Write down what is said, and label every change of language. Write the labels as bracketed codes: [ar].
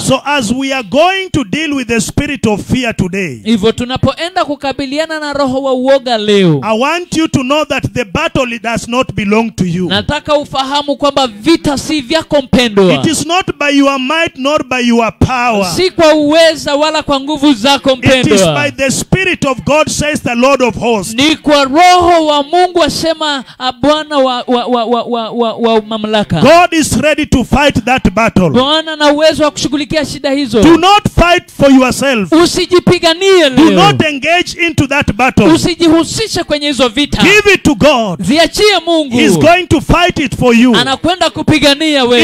[en] So as we are going to deal with the spirit of fear today. [sw] Hivyo tunapoenda kukabiliana na roho wa uoga leo. [en] I want you to know that the battle does not belong to you. [sw] Nataka ufahamu kwamba vita si vyako mpendwa. [en] It is not by your might nor by your power. [sw] Si kwa uweza wala kwa nguvu zako mpendwa. [en] It is by the spirit of God, says the Lord of hosts. [sw] Ni kwa roho wa Mungu asema Bwana wa mamlaka. [en] God is ready to fight that battle. [sw] Bwana na uwezo wa kushughulikia shida hizo. [en] Do not fight for yourself. [sw] Usijipiganie leo. [en] Do not engage into that battle. [sw] Usijihusishe kwenye hizo vita. [en] Give it to God. [sw] Ziachie Mungu. [en] He's going to fight it for you. [sw] Anakwenda kupigania wewe.